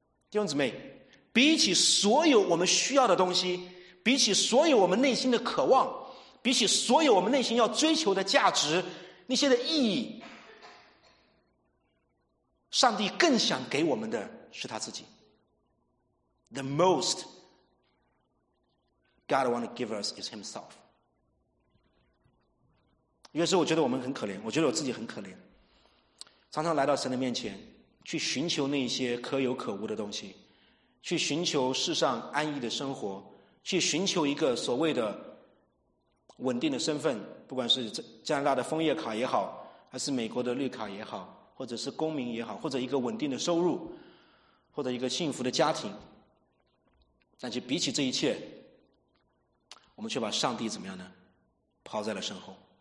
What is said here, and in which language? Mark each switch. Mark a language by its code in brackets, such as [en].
[zh] 弟兄姊妹，比起所有我们需要的东西，比起所有我们内心的渴望，比起所有我们内心要追求的价值，那些的意义，上帝更想给我们的是他自己。 [en] The most God wants to give us is himself。 [zh] 有时候我觉得我们很可怜，我觉得我自己很可怜，常常来到神的面前去寻求那些可有可无的东西，去寻求世上安逸的生活，去寻求一个所谓的稳定的身份，不管是加拿大的枫叶卡也好，还是美国的绿卡也好，或者是公民也好，或者一个稳定的收入，或者一个幸福的家庭，但是比起这一切，我们却把上帝怎么样呢？抛在了身后。